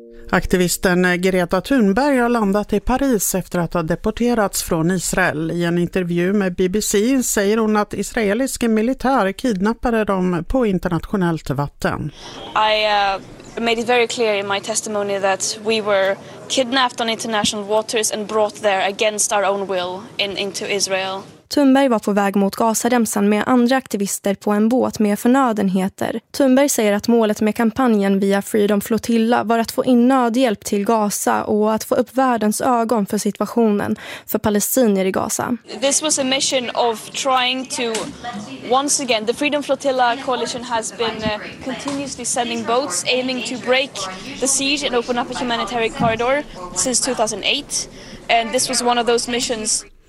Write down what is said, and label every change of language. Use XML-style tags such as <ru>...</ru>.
<sv>Aktivisten Greta Thunberg har landat i Paris efter att ha deporterats från Israel. I en intervju med BBC säger hon att israelisk militär kidnappade dem på internationellt vatten.</sv> <en>I made it very clear in my testimony that we were kidnapped on international waters and brought there against our own will into Israel.</en> <sv>Thunberg var på väg mot Gazaremsan med andra aktivister på en båt med förnödenheter. Thunberg säger att målet med kampanjen via Freedom Flotilla var att få in nödhjälp till Gaza och att få upp världens ögon för situationen för palestinier i Gaza.</sv> <en>This was a mission of trying to once again the Freedom Flotilla coalition has been continuously sending boats aiming to break the siege and open up a humanitarian corridor since 2008 and this was one of those missions.</en>